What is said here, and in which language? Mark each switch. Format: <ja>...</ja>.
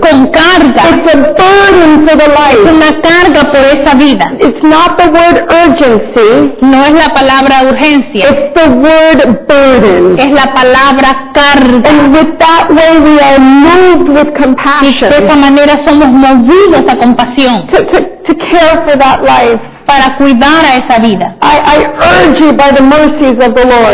<es>Con carga.</es> <en>It's a burden for the light.</en> <es>Es una carga por esa vida.</es> <en>It's not the word urgency.</en> <es>No es la palabra urgencia.</es> <en>It's the word burden.</en> <es>Es la palabra carga.</es> <en>And with that way we are moved with compassion.</en> <es>Y de esa manera somos movidos a compasión.</es> <en>To care for that life.</en> <es>para cuidar a esa vida.</es> <en>I urge you by the mercies of the Lord.</en>